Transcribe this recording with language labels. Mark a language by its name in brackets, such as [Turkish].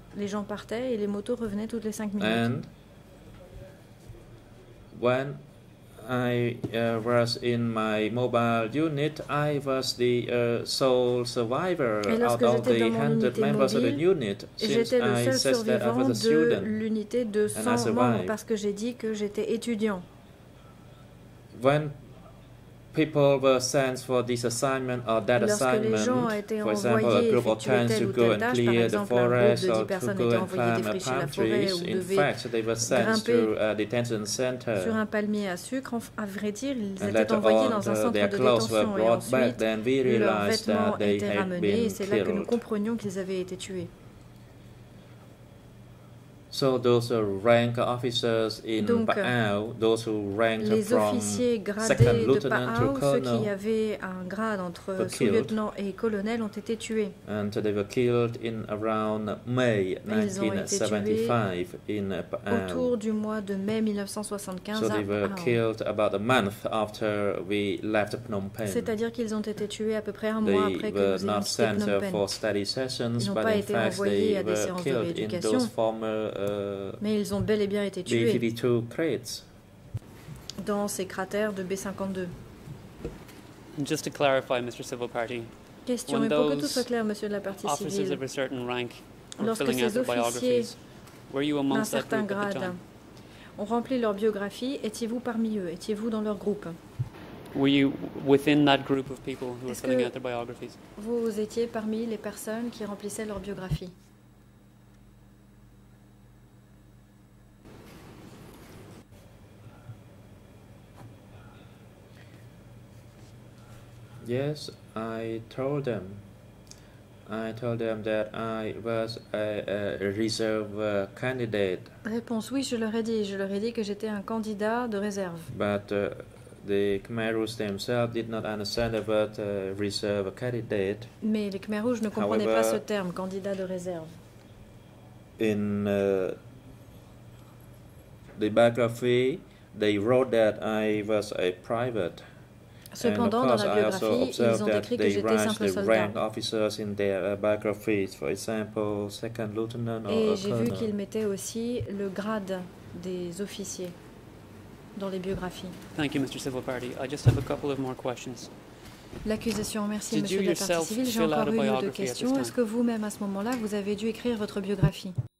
[French] Les gens partaient et les motos revenaient toutes les 5 minutes. [English] And when I was in my mobile unit, I was the sole survivor out of the 100 members of the unit. Since I said that I was a student, [French] l'unité de 100 membres parce que j'ai dit que j'étais étudiant. [English] When people were sent for this assignment or that assignment, for example, a group of 10 to go and clear the forest or to go and climb a palm tree. In fact, they were sent to a detention center. [French] Sur un palmier à sucre, à vrai dire, ils étaient envoyés dans un centre de détention. [English] Their clothes were brought back, then we realized that they had been killed. [French] Et c'est là que nous comprenions qu'ils avaient été tués. [English] So those rank officers in Pa'au, those who ranked [French] les [English] from second lieutenant to colonel, [French] qui avaient un grade entre sous-lieutenant et colonel, ont été tués. [English] And they were killed in around May 1975 in Pa'au. [French] Autour du mois de mai 1975 [English] so they were killed about a month after we left Phnom Penh. [French] C'est-à-dire qu'ils ont été tués à peu près un mois après que nous avons quitté Phnom Penh. [English] They were not sent for study sessions, but in fact they were killed in those former [French] mais ils ont bel et bien été tués [English] B-52 crates. [French] Dans ces cratères de B-52. [English] Just to clarify, Mr. Civil Party, [French] question, mais pour que tout soit clair, monsieur de la partie civile, [English] of a certain rank [French] lorsque ces officiers [English] were you amongst [French] d'un certain grade ont rempli leur biographie, étiez-vous parmi eux, étiez-vous dans leur groupe? [English] Were you within that group of people who were filling out their biographies? [French] Vous étiez parmi les personnes qui remplissaient leur biographie? [English] Yes, I told them that I was a reserve candidate. [French] Réponse, oui, je leur ai dit que j'étais un candidat de réserve. [English] But the Khmer Rouge themselves did not understand about reserve candidate. [French] Mais les Khmer Rouge ne comprenaient pas ce terme, candidat de réserve. [English] In the biography, they wrote that I was a private. [French] Cependant, dans la biographie, ils ont écrit que j'étais simple soldat. [English] Officers in their biographies, for example, second lieutenant or [French] et j'ai vu qu'ils mettaient aussi le grade des officiers dans les biographies. [English] Thank you, Mr. Civil Party. I just have a couple of more questions. [French] L'accusation, merci, Did Monsieur de la Partie Civile. J'ai encore une ou deux questions. Est-ce que vous-même, à ce moment-là, vous avez dû écrire votre biographie?